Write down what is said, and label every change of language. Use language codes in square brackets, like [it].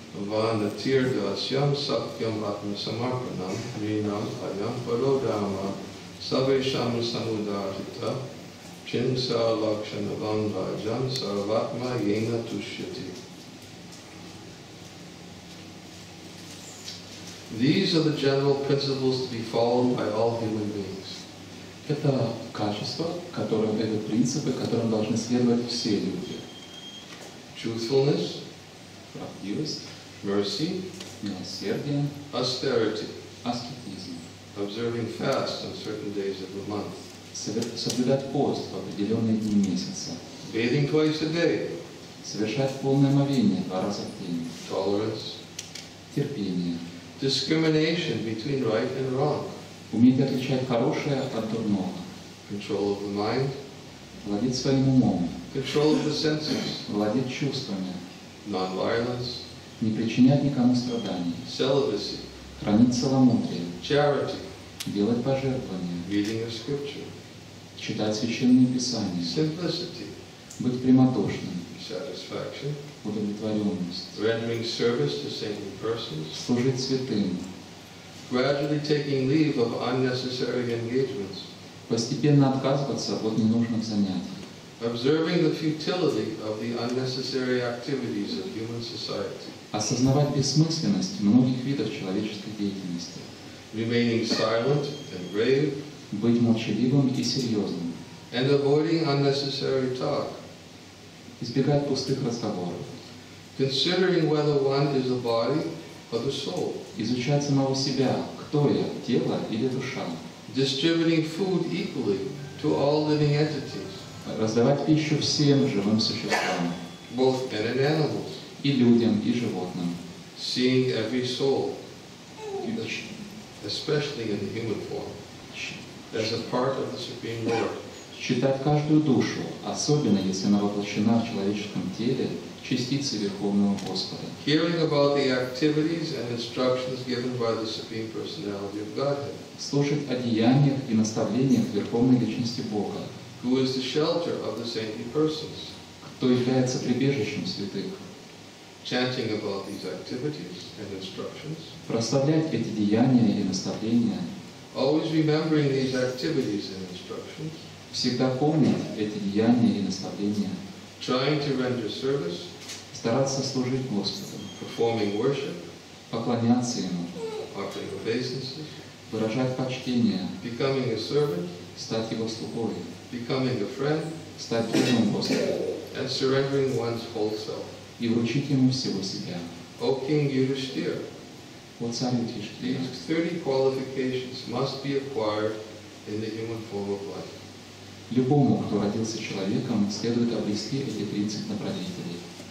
[sa] Vanatir Dasyam Sakyam Atma Samarpanam Ninam Ayam Parodama Savesham Samudarhita Chinsa Lakshanavam Vajam Sarvatma Yena Tushyati. [en] These are the general principles to be followed by all human beings. [ru] Это качества, которым это принципы, которым должны следовать все люди. [en] Truthfulness, [ru] правдивость, [en] mercy, [ru] милосердие, [en] austerity, [ru] аскетизм, [en] observing fast on certain days of the month, [ru] соблюдать пост в определенные дни месяца, [en] bathing twice a day, [ru] совершать полное омовение два раза в день, [en] tolerance, [ru] терпение. [en] Discrimination between right and wrong. [ru] Уметь отличать хорошее от дурного. [en] Control of the mind. [ru] Владеть своим умом. [en] Control of the senses. [ru] Владеть чувствами. [en] Non-violence. [ru] Не причинять никому страданий. [en] Celibacy. [ru] Хранить целомудрие. [en] Charity. [ru] Делать пожертвования. [en] Reading of scripture. [ru] Читать священные писания. [en] Simplicity. [ru] Быть прямодушным. [en] Satisfaction. [ru] Удовлетворенность. [en] Rendering service to saintly persons. [ru] Служить святым. [en] Gradually taking leave of unnecessary engagements. [ru] Постепенно отказываться от ненужных занятий. [en] Observing the futility of the unnecessary activities of human society. [ru] Осознавать бессмысленность многих видов человеческой деятельности. [en] Remaining silent and grave. [ru] Быть молчаливым и серьезным. [en] And avoiding unnecessary talk. [ru] Избегать пустых разговоров. [en] Considering whether one is the body or the soul. [ru] Изучать самого себя, кто я, тело или душа. [en] Distributing food equally to all living entities. [ru] Раздавать пищу всем живым существам. [en] Both men and animals. [ru] И людям, и животным. [en] Seeing every soul, especially in the human form, as a part of the Supreme Lord. [ru] Считать каждую душу, особенно если она воплощена в человеческом теле, частицы Верховного Господа. [en] Hearing about the activities and instructions given by the Supreme Personality of Godhead. [ru] Слушать о деяниях и наставлениях Верховной Личности Бога. [en] Who is the shelter of the saintly persons? [ru] Кто является прибежищем святых? [en] Chanting about these activities and instructions. [ru] Прославлять эти деяния и наставления. [en] Always remembering these activities and instructions. [ru] Всегда помнить эти деяния и наставления. [en] Trying to render service. [ru] Стараться служить Господу. [en] Performing worship. [ru] Поклоняться Ему. [en] Offering obeisances. [ru] Выражать почтение. [en] Becoming a servant. [ru] Стать Его слугой. [en] Becoming a friend. [ru] Стать другом Господа. [en] And surrendering one's whole self. [ru] И вручить Ему всего себя. [en] O King Yudhishthira. [ru] О царь Юдхиштхира. [en] These 30 qualifications must be acquired in the human form of life. [ru] Любому, кто родился человеком, следует обрести эти 30 добродетелей.